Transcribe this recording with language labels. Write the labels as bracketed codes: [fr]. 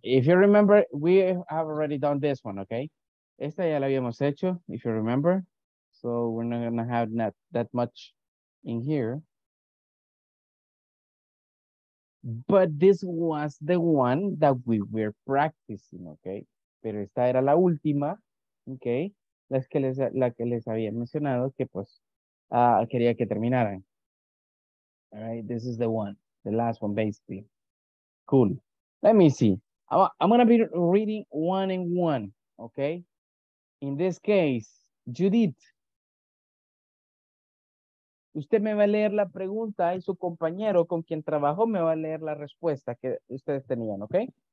[en] If you remember, we have already done this one, okay? [es] Esta ya la habíamos hecho, [en] if you remember. So we're not going to have that much in here. But this was the one that we were practicing, okay? [es] Pero esta era la última, okay? La que les había mencionado que pues quería que terminaran. [en] All right, this is the one, the last one basically. Cool. Let me see. I'm going to be reading one and one, okay? [es] In this case, Judith, usted me va a leer la pregunta y su compañero con quien trabajó me va a leer la respuesta que ustedes tenían, okay?